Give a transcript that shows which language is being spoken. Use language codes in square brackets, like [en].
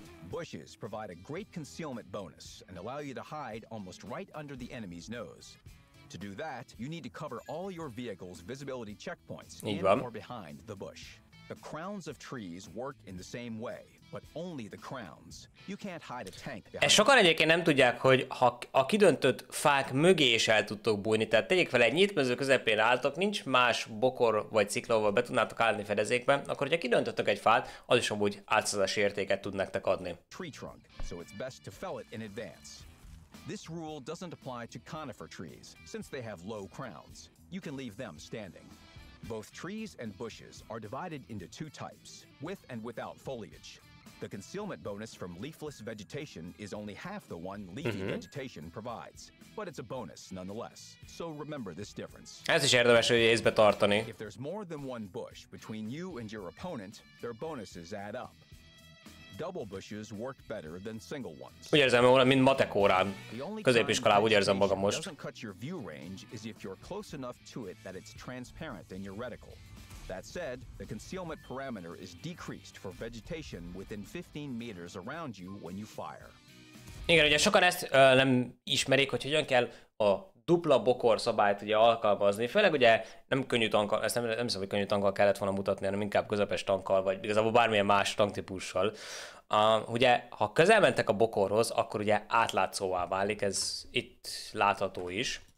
[en] Bushes provide a great concealment bonus and allow you to hide almost right under the enemy's nose. To do that, you need to cover all your vehicle's visibility checkpoints in or behind the bush. The crowns of trees work in the same way, but only the crowns. You can't hide a tank behind. [hu] Sokan egyébként nem tudják, hogy ha a kidöntött fák mögé is el tudtok bújni, tehát tegyék fel, egy nyitmező közepén álltok, nincs más bokor vagy ciklóval be tudnátok állni fedezékbe, akkor ha kidöntöttek egy fát, az is amúgy átszázási értéket tud nektek adni. [en] Tree trunk, so it's best to fell it in advance. This rule doesn't apply to conifer trees, since they have low crowns. You can leave them standing. Both trees and bushes are divided into two types, with and without foliage. The concealment bonus from leafless vegetation is only half the one leafy vegetation provides, but it's a bonus nonetheless. So remember this difference. [hu] Ez is érdemes, hogy észbe tartani. [en] If there's more than one bush between you and your opponent, their bonuses add up. Double bushes work better than single ones. [hu] Úgy érzem, hogy mint matek órán, középiskolában úgy érzem magam most. [en] Doesn't cut your view range is if you're close enough to it that it's transparent in your reticle. That said, the concealment parameter is decreased for vegetation within 15 meters around you when you fire. [hu] Igen, ugye sokan ezt nem ismerik, hogy hogyan kell a dupla bokor szabályt ugye alkalmazni, főleg ugye nem könnyű tankkal, ezt nem hiszem, hogy könnyű tankkal kellett volna mutatni, hanem inkább közepes tankkal, vagy igazából bármilyen más tanktípussal. Ugye, ha közel mentek a bokorhoz, akkor ugye átlátszóvá válik, ez itt látható is.